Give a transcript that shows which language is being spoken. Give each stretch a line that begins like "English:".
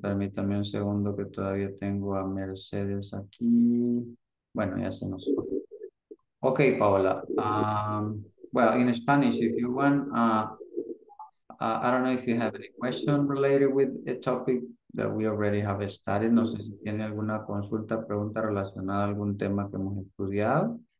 Spanish: Permítame un segundo que todavía tengo a Mercedes aquí. Bueno, ya se nos. Okay, Paola.
English: Well, in Spanish, if you want, I don't know if you have any question related with a topic that we already have studied.
Spanish: No sé si tiene alguna consulta, pregunta relacionada a algún tema que hemos estudiado.